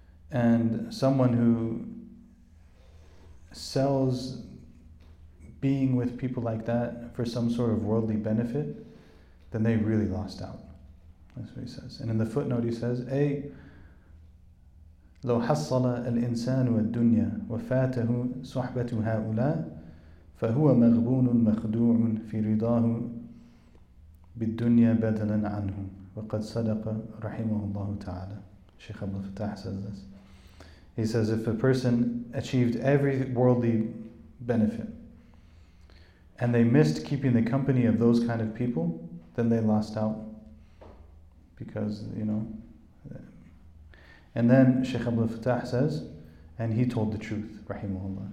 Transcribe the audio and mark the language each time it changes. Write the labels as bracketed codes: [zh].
[en] And someone who sells being with people like that for some sort of worldly benefit, then they really lost out. That's what he says. And in the footnote he says, A. [ar] لو حصل الإنسان والدنيا وفاته صحبة هؤلاء فهو مغبون مخدوع في رضاه بالدنيا بدلا عنه وقد صدق رحمه الله تعالى. [en] Sheikh Abdul Fattah says this. He says, if a person achieved every worldly benefit and they missed keeping the company of those kind of people, then they lost out, because, you know. And then Shaykh Abdul Fattah says, and he told the truth, rahimahullah.